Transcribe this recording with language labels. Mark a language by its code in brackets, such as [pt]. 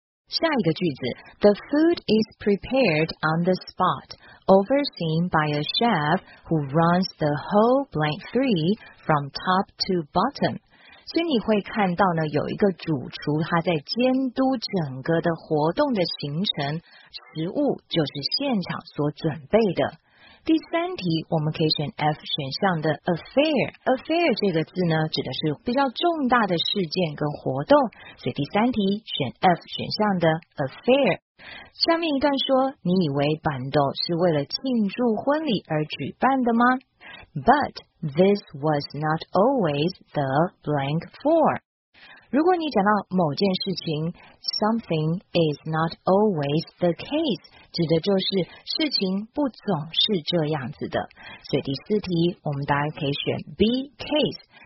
[zh] 下一个句子 [en] The food is prepared on the spot overseen by a chef who runs the whole blank three from top to bottom. [zh] 所以你会看到呢有一个主厨他在监督整个的活动的行程，食物就是现场所准备的。第三题我们可以选 F 选项的 affair。 affair 这个字呢指的是比较重大的事件跟活动，所以第三题选 F 选项的 affair。下面一段说，你以为板凳是为了庆祝婚礼而举办的吗？ [en] But this was not always the blank for。 [zh] 如果你讲到某件事情 [en] something is not always the case， [zh] 指的就是事情不总是这样子的，所以第四题我们大家可以选 B case。